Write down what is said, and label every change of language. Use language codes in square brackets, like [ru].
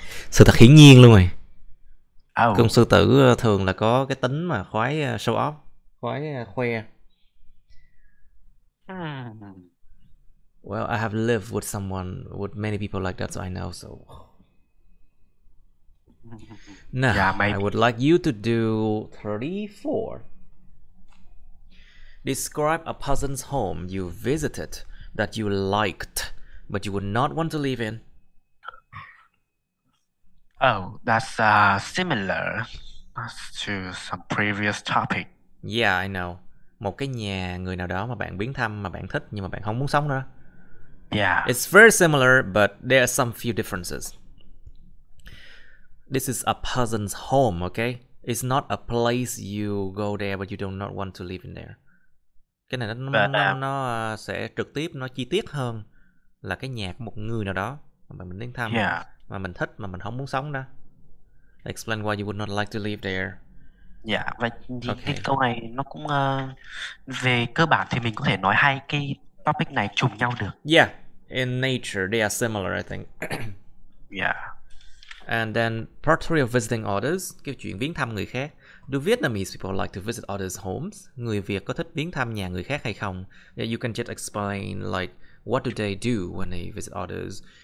[vi] Sự thật hiển nhiên luôn rồi. Oh. Cung sư tử thường là có cái tính mà khoái [en] show off, [vi] khoái khoe. [en] Well, I have lived with someone, with many people like that, so I know, so... Now, yeah, I would like you to do 34. Describe a person's home you visited that you liked, but you would not want to live in. Oh, that's similar to some previous topic. Yeah, I know. [vi] Một cái nhà người nào đó mà bạn biến thăm, mà bạn thích, nhưng mà bạn không muốn sống nữa. [en] Yeah. It's very similar, but there are some few differences. This is a person's home, okay? It's not a place you go there, but you do not want to live in there. [vi] Cái này nó sẽ trực tiếp, nó chi tiết hơn là cái nhà của một người nào đó mà bạn biến thăm. [en] Yeah. [vi] Mà mình thích mà mình không muốn sống đó. [en] Explain why you would not like to live there. [vi] Dạ, vậy thì okay. Cái câu này nó cũng về cơ bản thì mình có thể nói hai cái topic này trùng nhau được. [en] Yeah, in nature they are similar, I think. Yeah. And then part three of visiting others, [vi] cái chuyện viếng thăm người khác. [en] Do Vietnamese people like to visit others' homes? [vi] Người Việt có thích viếng thăm nhà người khác hay không? [en] Yeah, you can just explain like what do they do when they visit others.